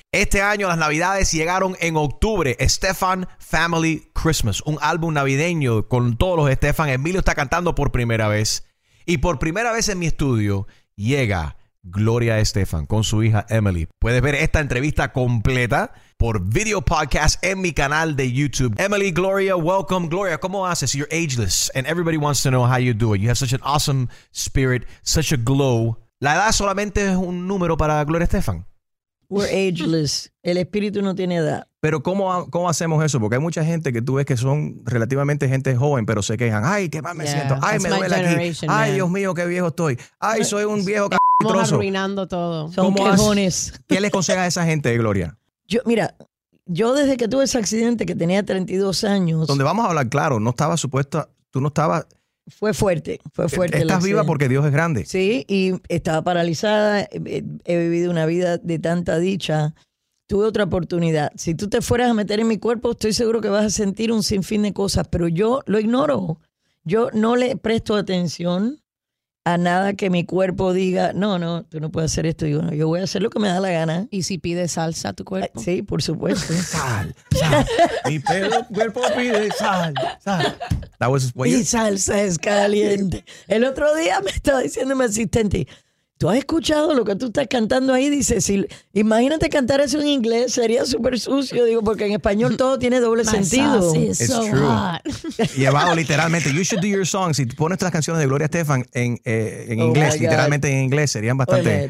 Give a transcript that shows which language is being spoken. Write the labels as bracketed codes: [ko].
[es] Este año las navidades llegaron en octubre. Estefan Family Christmas, un álbum navideño con todos los Estefan. Emilio está cantando por primera vez. Y por primera vez en mi estudio llega Gloria Estefan con su hija Emily. Puedes ver esta entrevista completa por video podcast en mi canal de YouTube. Emily, Gloria, welcome. Gloria, ¿cómo haces? [en] You're ageless and everybody wants to know how you do it. You have such an awesome spirit, such a glow. [es] ¿La edad solamente es un número para Gloria Estefan? [en] We're ageless. [es] El espíritu no tiene edad. Pero ¿cómo hacemos eso? Porque hay mucha gente que tú ves que son relativamente gente joven, pero se quejan. Ay, qué mal me siento. Ay, me duele aquí. Ay, Dios mío, qué viejo estoy. Ay, soy un viejo cabrón. Estamos arruinando todo. Son quejones. ¿Qué les consejas a esa gente, Gloria? Yo desde que tuve ese accidente, que tenía 32 años. Donde vamos a hablar, claro, no estaba supuesta, tú no estabas. Fue fuerte, fue fuerte. Estás viva porque Dios es grande. Sí, y estaba paralizada, he vivido una vida de tanta dicha. Tuve otra oportunidad. Si tú te fueras a meter en mi cuerpo, estoy seguro que vas a sentir un sinfín de cosas, pero yo lo ignoro. Yo no le presto atención a nada que mi cuerpo diga, no, no, tú no puedes hacer esto. Digo, no, yo voy a hacer lo que me da la gana. ¿Y si pide salsa a tu cuerpo? Sí, por supuesto. Sal, sal. Mi pelo, cuerpo pide sal, sal. [en] That was what you... [es] Y salsa es caliente. El otro día me estaba diciendo mi asistente, ¿tú has escuchado lo que tú estás cantando ahí? Dice, si, imagínate cantar eso en inglés, sería súper sucio. Digo, porque en español todo tiene doble sentido. [en] It's so true. Hot. [es] Llevado literalmente. [en] You should do your songs. [es] Si pones las canciones de Gloria Estefan en inglés, literalmente en inglés, serían bastante...